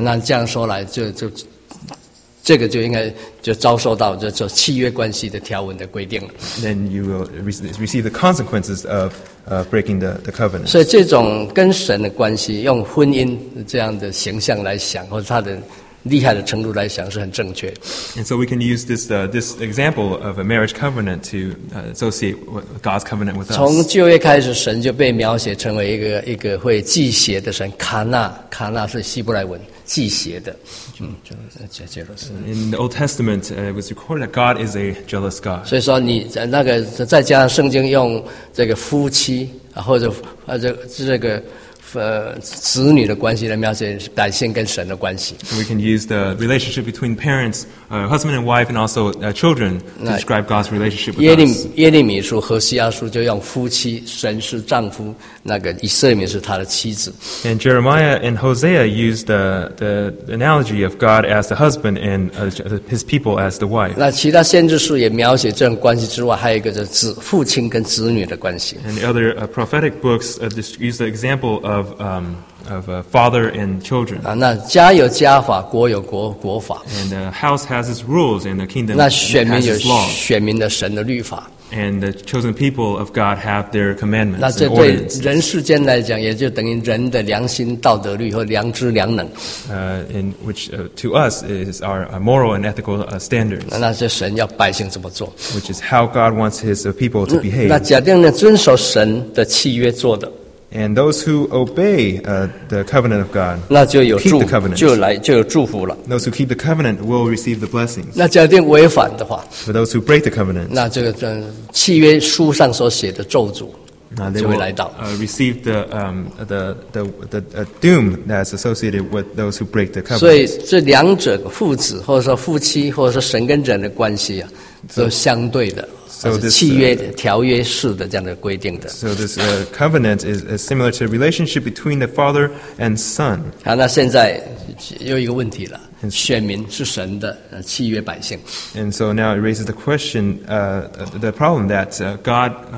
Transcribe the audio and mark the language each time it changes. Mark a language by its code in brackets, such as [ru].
[zh] 那这样说来就这个就应该就遭受到这契约关系的条文的规定了 [en] then you will receive the consequences of breaking the covenant [zh] 所以这种跟神的关系用婚姻这样的形象来想或者他的厉害的程度来想是很正确。 [en] And so we can use this example of a marriage covenant to associate God's covenant with us. [zh] 从旧约开始，神就被描写成为一个会祭邪的神，卡纳，卡纳是希伯来文祭邪的。 [en] In the Old Testament, it was recorded that God is a jealous God. [zh] 所以说你那个再加上圣经用这个夫妻或者这个。子女的关系来描写百姓跟神的关系。 [en] We can use the relationship between parents, husband and wife, and also children to describe God's relationship with us. [zh] 耶利米书和西阿书就用夫妻，神是丈夫，那个以色列是他的妻子。 [en] And Jeremiah and Hosea used the analogy of God as the husband and his people as the wife. [zh] 那其他先知书也描写这种关系之外，还有一个就是父亲跟子女的关系。 [en] And the other prophetic books use the example of father and children. [zh] 那家有家法，国有国法。 [en] And the house has its rules, and the kingdom [zh] 那选民有选民的神的律法。 [en] And the chosen people of God have their commandments. [zh] 那这对人世间来讲，也就等于人的良心、道德律和良知、良能。 [en] In which to us is our moral and ethical standards. [zh] 那这神要百姓怎么做 [en] ？Which is how God wants His people to behave. [zh] 那假定呢，遵守神的契约做的。 [en] And those who obey the covenant of God, [zh] 那就有 [en] keep the covenant, [zh] 就有祝福了。 [en] Those who keep the covenant will receive the blessings. [zh] 那假定违反的话 [en] ，For those who break the covenant, [zh] 那这个契约书上所写的咒诅就会来到。 [en] Receive the doom that's associated with those who break the covenant. [zh] 所以这两者父子或者说夫妻或者说神跟人的关系啊，都相对的。 [en] So this, [zh] 契约条约式的这样的规定的。 [en] So this covenant is similar to a relationship between the father and son. [zh] 好，那现在又一个问题了。选民是神的契约百姓。 [en] And so now it raises the question, the problem that God.